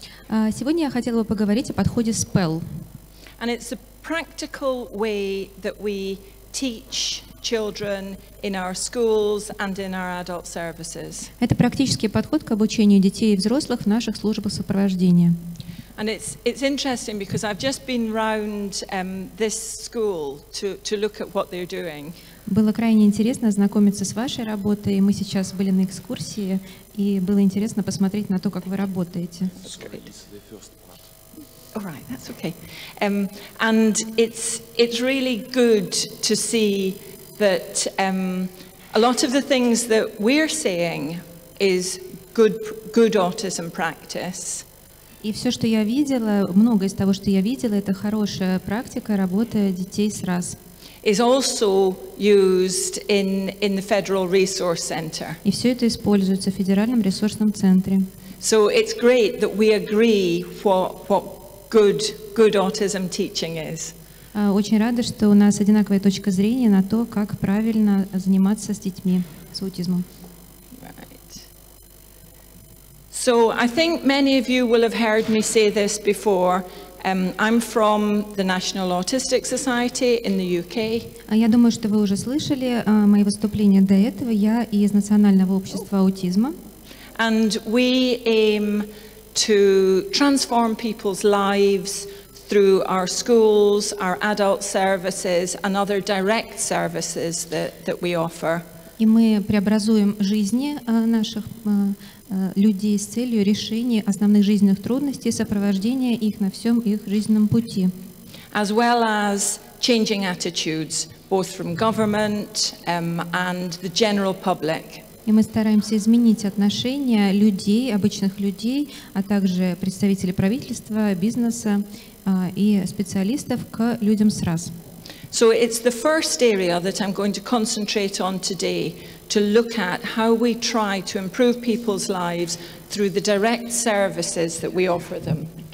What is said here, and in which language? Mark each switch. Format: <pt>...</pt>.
<ru>Сегодня я хотела бы поговорить о подходе spell.</ru> <en>And it's a practical way that we teach children in our schools and in our adult services.</en> <ru>Это практический подход к обучению детей и взрослых в наших службах сопровождения.</ru> <en>And it's interesting because I've just been round this school to look at what they're doing.</en> <ru>Было крайне интересно ознакомиться с вашей работой. Мы сейчас были на экскурсии, и было интересно посмотреть на то, как вы работаете.</ru> <en>All right, that's okay. And it's really good to see that a lot of the things that we're saying is good autism practice.</en> <ru>И все, что я видела, многое из того, что я видела, это хорошая практика работы детей с RAS.</ru> <en>is also used in the Federal Resource Center.</en> <ru>И все это используется в федеральном ресурсном центре.</ru> <en>So it's great that we agree what good autism teaching is.</en> <ru>Очень рада, что у нас одинаковая точка зрения на то, как правильно заниматься с детьми с аутизмом.</ru> <en>Right. So I think many of you will have heard me say this before. I'm from the National Autistic Society in the UK.</en> <ru>Я думаю, что вы уже слышали мои выступления до этого. Я из Национального общества аутизма.</ru> <en>And we aim to transform people's lives through our schools, our adult services, and other direct services that we offer.</en> <ru>И мы преобразуем жизни наших людей с целью решения основных жизненных трудностей, сопровождения их на всем их жизненном пути.</ru> <en>As well as changing attitudes, both from government and the general public.</en> <ru>И мы стараемся изменить отношения людей, обычных людей, а также представителей правительства, бизнеса и специалистов к людям с РАС.</ru> <en>So it's the first area that I'm going to concentrate on today, to look at how we try to improve people's lives through the direct services that we offer them.</en>